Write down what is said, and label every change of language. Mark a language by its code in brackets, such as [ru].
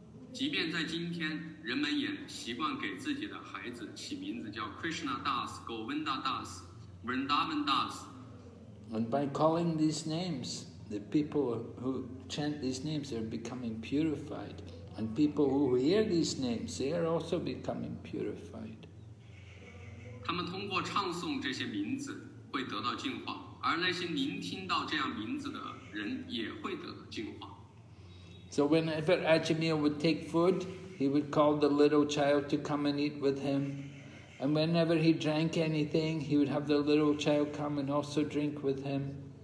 [zh] 即便在今天，人们也习惯给自己的孩子起名字叫 Krishna Das, Govinda Das, Vrindavan Das. [en] And by calling these names, the people who chant these names are becoming purified, and people who hear these names, they are also becoming purified. [zh] 他们通过唱诵这些名字会得到净化，而那些聆听到这样名字的人也会得到净化。 [en] So whenever Ajamila would take food, he would call the little child to come and eat with him. And whenever he drank anything, he would have the little child come and also drink with him.